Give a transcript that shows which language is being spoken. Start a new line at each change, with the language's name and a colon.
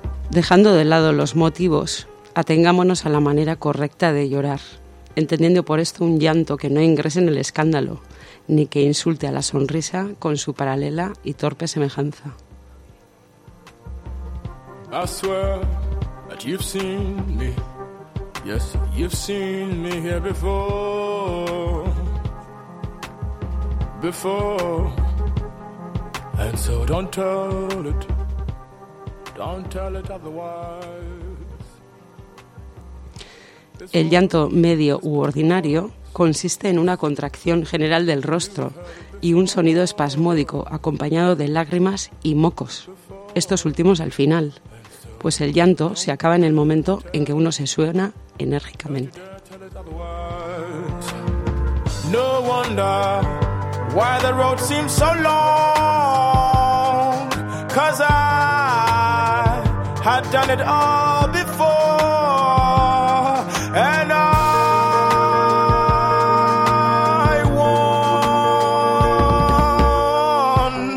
Spanish: Dejando de lado los motivos, atengámonos a la manera correcta de llorar, entendiendo por esto un llanto que no ingrese en el escándalo, ni que insulte a la sonrisa con su paralela y torpe semejanza.
English: I swear that you've seen me, yes, you've seen me here before, before, and so don't tell it. Don't tell it otherwise.
Spanish: El llanto medio u ordinario consiste en una contracción general del rostro y un sonido espasmódico acompañado de lágrimas y mocos. Estos últimos al final, pues el llanto se acaba en el momento en que uno se suena enérgicamente.
English: No wonder why the road seems so long, 'cause I've done it all before, and I won.